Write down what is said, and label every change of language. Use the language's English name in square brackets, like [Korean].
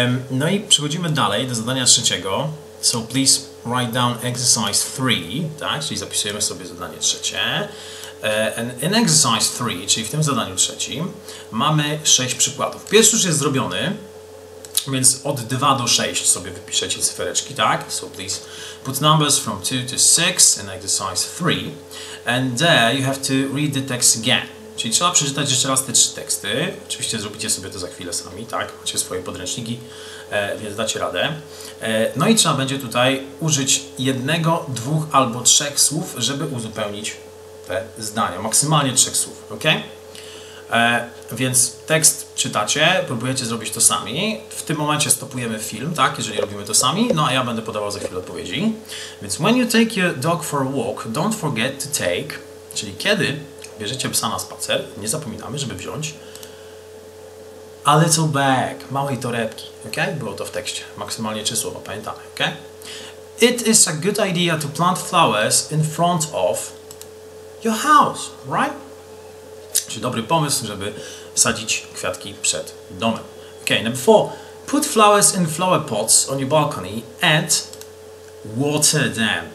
[Polish] No i przechodzimy dalej do zadania trzeciego. [English] So please write down exercise 3, [Polish] tak, czyli zapisujemy sobie zadanie trzecie. [English] In exercise 3, [Polish] czyli w tym zadaniu trzecim, mamy 6 przykładów. Pierwszy już jest zrobiony, więc od 2 do 6 sobie wypiszecie cyfereczki, tak? [English] So please put numbers from 2 to 6 in exercise 3. And there you have to read the text again. [Polish] Czyli trzeba przeczytać jeszcze raz te trzy teksty. Oczywiście zrobicie sobie to za chwilę sami, tak? Macie swoje podręczniki, więc dacie radę. No i trzeba będzie tutaj użyć jednego, dwóch albo trzech słów, żeby uzupełnić te zdania. Maksymalnie 3 słów, ok? Więc tekst czytacie, próbujecie zrobić to sami. W tym momencie stopujemy film, tak, jeżeli robimy to sami. No a ja będę podawał za chwilę odpowiedzi. [English] Więc when you take your dog for a walk, don't forget to take. [Polish] Czyli kiedy bierzecie psa na spacer, nie zapominamy, żeby wziąć [English] a little bag, [Polish] małej torebki. Ok? Było to w tekście. Maksymalnie 3 słowa, pamiętamy. [English] Ok? It is a good idea to plant flowers in front of your house, right? [Polish] Czyli dobry pomysł, żeby sadzić kwiatki przed domem. [English] Ok, number 4. Put flowers in flower pots on your balcony and water them.